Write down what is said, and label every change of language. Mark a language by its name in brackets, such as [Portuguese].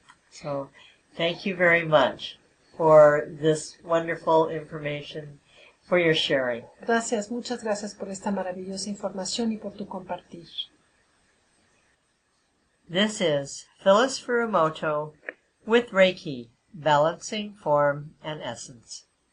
[English] So, thank you very much for this wonderful information, for your sharing. [Spanish] Gracias, muchas gracias por esta maravillosa información y por tu compartir. [English] This is Phyllis Furumoto with Reiki, Balancing Form and Essence.